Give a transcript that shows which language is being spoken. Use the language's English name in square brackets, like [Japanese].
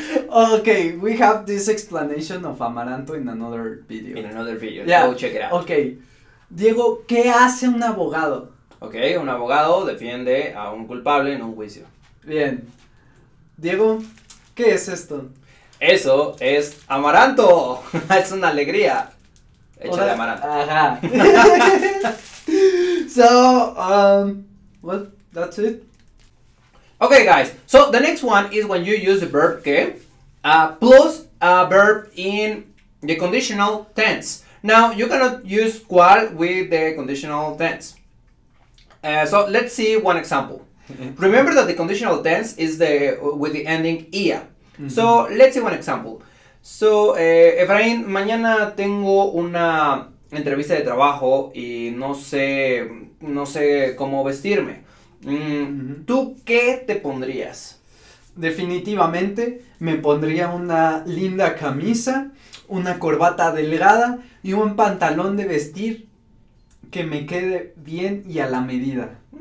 [English] Okay, we have this explanation of amaranto in another video. In another video. Yeah. Go check it out. [Spanish] Okay. Diego, ¿qué hace un abogado? Okay, un abogado defiende a un culpable en un juicio. Bien. Diego, ¿qué es esto? Eso es amaranto. Es una alegría. Hecha de amaranto. [English] Ajá. So, well, that's it. Okay, guys. So, the next one is when you use the verb que plus a verb in the conditional tense. Now, you cannot use cual with the conditional tense. So let's see one example. Remember that the conditional tense is the with the ending ia. Mm-hmm. So let's see one example. [Spanish] So Efraín, mañana tengo una entrevista de trabajo y no sé cómo vestirme. ¿Tú qué te pondrías? Definitivamente me pondría una linda camisa, una corbata delgada y un pantalón de vestir que me quede bien y a la medida.